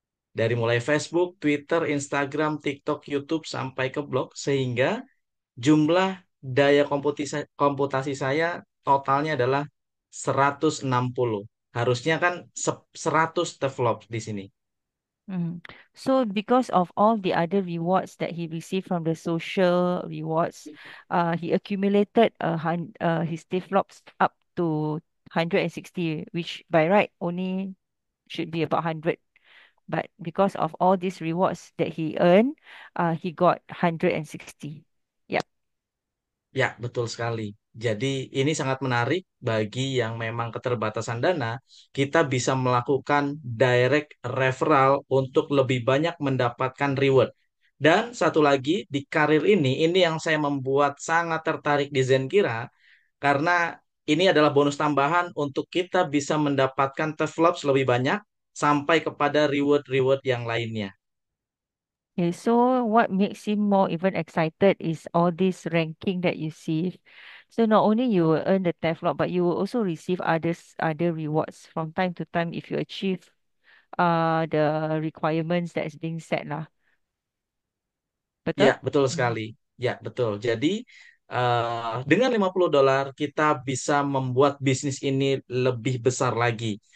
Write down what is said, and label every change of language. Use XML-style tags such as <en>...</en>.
<id>Dari mulai Facebook, Twitter, Instagram, TikTok, YouTube sampai ke blog sehingga jumlah daya komputasi saya totalnya adalah 160. Harusnya kan 100 teflop di sini.</id> <en>So because of all the other rewards that he received from the social rewards, he accumulated his TFLOPs up to 160, which by right only should be about 100. But because of all these rewards that he earned, he got 160.</en> <id>Ya, betul sekali. Jadi, ini sangat menarik bagi yang memang keterbatasan dana. Kita bisa melakukan direct referral untuk lebih banyak mendapatkan reward. Dan satu lagi, di karir ini yang saya membuat sangat tertarik di Zenqira, karena ini adalah bonus tambahan untuk kita bisa mendapatkan TFLOPS lebih banyak sampai kepada reward-reward yang lainnya.</id> <en>Okay, so what makes him more even excited is all this ranking that you see. So not only you will earn the TFLOPS, but you will also receive other rewards from time to time if you achieve the requirements that is being set lah.</en> <id>Ya, Betul? betul sekali. Ya, betul. Jadi, dengan 50 dolar kita bisa membuat bisnis ini lebih besar lagi.</id>